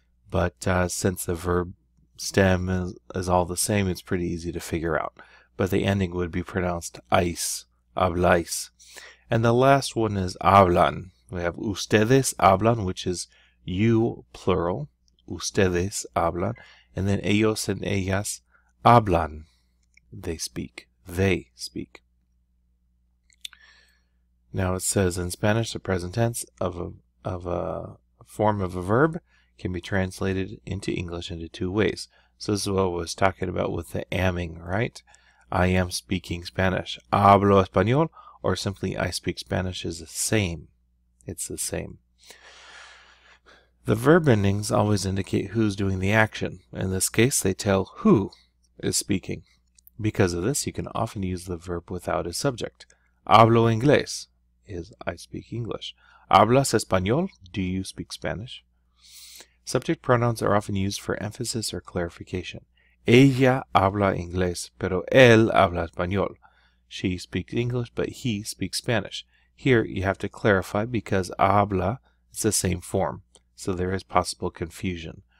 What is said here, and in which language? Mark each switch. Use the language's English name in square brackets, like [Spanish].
[English] But since the verb stem is all the same, it's pretty easy to figure out. But the ending would be pronounced ice. Habláis. And the last one is hablan. We have [Spanish] ustedes hablan, [English] which is you plural. [Spanish] Ustedes hablan. [English] And then ellos and ellas hablan. They speak. They speak. Now it says in Spanish, the present tense of a form of a verb can be translated into English into two ways. So this is what I was talking about with the amming, right? I am speaking Spanish. [Spanish] Hablo español, [English] or simply I speak Spanish, is the same. It's the same. The verb endings always indicate who's doing the action. In this case, they tell who is speaking. Because of this, you can often use the verb without a subject. [Spanish] Hablo inglés [English] is I speak English. [Spanish] ¿Hablas español? [English] Do you speak Spanish? Subject pronouns are often used for emphasis or clarification. [Spanish] Ella habla inglés, pero él habla español. [English] She speaks English, but he speaks Spanish. Here, you have to clarify because habla is the same form, so there is possible confusion.